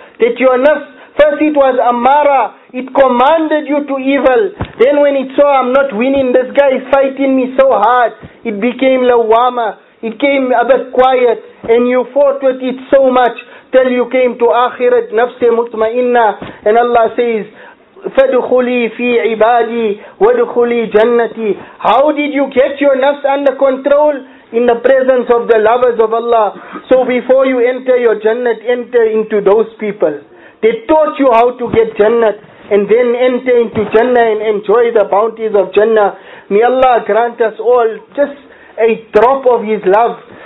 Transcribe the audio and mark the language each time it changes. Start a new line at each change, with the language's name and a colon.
English: That your nafs, first it was Amara. It commanded you to evil. Then when it saw, I'm not winning, this guy is fighting me so hard, it became Lawama. It came a bit quiet. And you fought with it so much till you came to Akhirat, nafse mutmainna. And Allah says,
Arabic: فَدُخُلِي فِي عِبَادِي وَدُخُلِي جَنَّتِي.
English: How did you get your nafs under control? In the presence of the lovers of Allah. So before you enter your jannat, enter into those people. They taught you how to get jannat. And then enter into jannah and enjoy the bounties of jannah. May Allah grant us all just a drop of His love.